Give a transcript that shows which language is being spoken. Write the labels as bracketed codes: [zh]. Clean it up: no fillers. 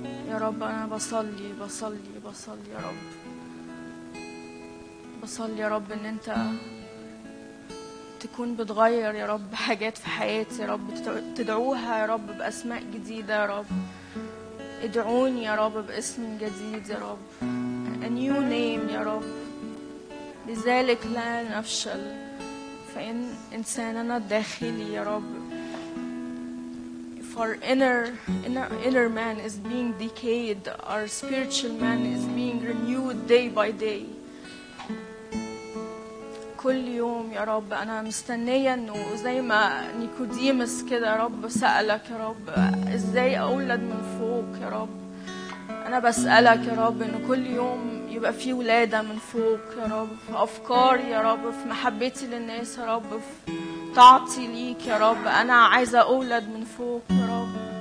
[ar] يا رب أنا بصلي يا رب، بصلي يا رب إن أنت تكون بتغير يا رب حاجات في حياتي يا رب، تدعوها يا رب بأسماء جديدة يا رب. ادعوني يا رب باسم جديد يا رب، [en] a new name [ar] يا رب، لذلك لا نفشل فإن إنساننا الداخلي يا رب، [en] if our inner man is being decayed, our spiritual man is being renewed day by day. [ar] كل يوم يا رب أنا مستنية إنه زي ما نيكوديمس كده يا رب سألك يا رب إزاي أولد من فوق يا رب، أنا بسألك يا رب إنه كل يوم يبقى في ولادة من فوق يا رب، في أفكار يا رب، في محبتي للناس يا رب، في طاعتي ليك يا رب، أنا عايزة أولد من فوق يا رب.